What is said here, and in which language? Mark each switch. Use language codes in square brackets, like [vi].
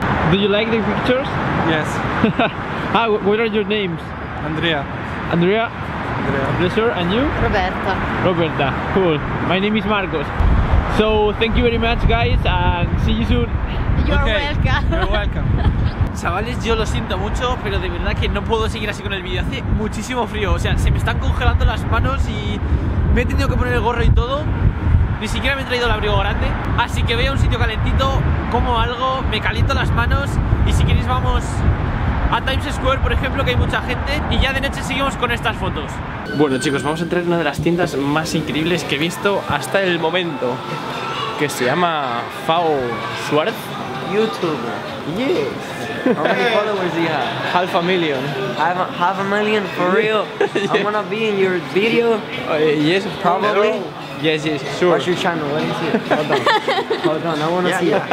[en] Do you like the pictures? Yes. Ah, what are your names? Andrea. Pleasure. And you? Roberta. Cool. My name is Marcos. So thank you very much, guys, and see you soon. You're welcome. [es] Chavales, yo lo siento mucho, pero de verdad que no puedo seguir así con el vídeo. Hace muchísimo frío, o sea, se me están congelando las manos y me he tenido que poner el gorro y todo. Ni siquiera me he traído el abrigo grande. Así que voy a un sitio calentito, como algo, me caliento las manos y si queréis vamos a Times Square, por ejemplo, que hay mucha gente, y ya de noche seguimos con estas fotos. Bueno, chicos, vamos a entrar en una de las tiendas más increíbles que he visto hasta el momento, que se llama Fau Schwarz. [en] YouTuber. Yes. How many followers do you have? Half a million. Half a million, for real? Yes. I'm gonna be in your video? Yes, probably. Yes, yes, sure. What's your channel? Let me see it. Hold on. Hold on, I wanna see it.